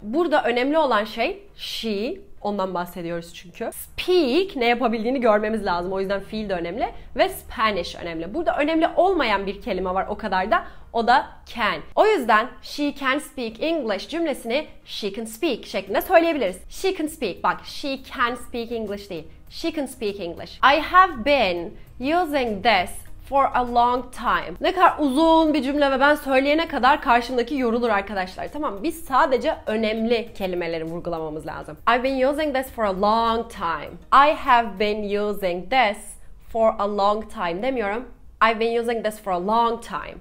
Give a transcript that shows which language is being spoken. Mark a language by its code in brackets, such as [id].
[tr] Burada önemli olan şey she, ondan bahsediyoruz çünkü. Speak ne yapabildiğini görmemiz lazım. O yüzden fiil de önemli ve Spanish önemli. Burada önemli olmayan bir kelime var o kadar da. O da can. O yüzden [en] she can speak English [tr] cümlesini [en] she can speak [tr] şeklinde söyleyebiliriz. [en] She can speak. [tr] Bak [en] she can speak English [tr] değil. [en] She can speak English. I have been using this for a long time. [tr] Ne kadar uzun bir cümle ve ben söyleyene kadar karşımdaki yorulur arkadaşlar. Tamam, biz sadece önemli kelimeleri vurgulamamız lazım. [en] I've been using this for a long time. I have been using this for a long time [tr] demiyorum. [en] I've been using this for a long time.